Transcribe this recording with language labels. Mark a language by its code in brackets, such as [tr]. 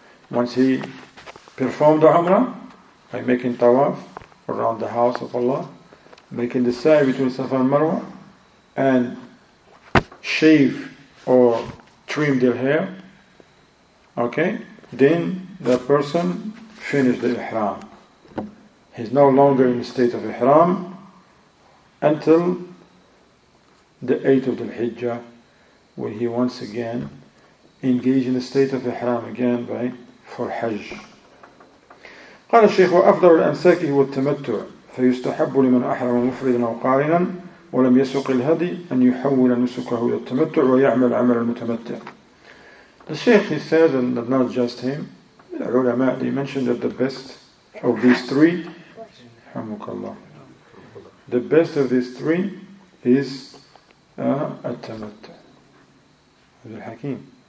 [en] Once he performed the umrah, by making tawaf around the house of Allah, making the sa'i between Safa and Marwa, and shave or trim their hair, okay, then the person finish the ihram. He's no longer in the state of ihram until the 8th of the Hijjah, when he once again engage in the state of ihram again by for Hajj. [ar] قال الشيخ وأفضل الأنساك هو التمتع فيستحب لمن أحرم مفردا أو قارنا ولم يسوق الهدي أن يحول نسكه إلى التمتع ويعمل عمل المتمتع. [en] The Sheikh, he says, and not just him, ulama, they mentioned that the best of these three, the best of these three is At-Tamattu' Abdul-Hakim.